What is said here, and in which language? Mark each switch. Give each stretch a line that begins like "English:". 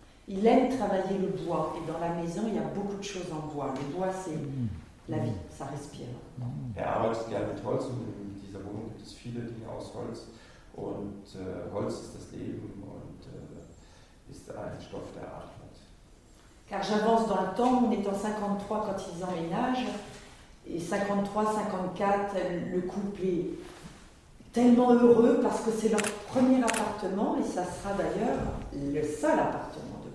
French: Il aime travailler le bois et dans la maison il y a beaucoup de choses en bois. Le bois c'est la vie, ça respire.
German: Er arbeitet gerne mit Holz und in dieser Wohnung gibt es viele Dinge aus Holz und Holz ist das Leben und ist ein Stoff, der atmet.
French: Car j'avance dans le temps, on est en 53 quand ils emménagent et 53-54 le couple est tellement heureux parce que c'est leur premier appartement et ça sera d'ailleurs le seul appartement.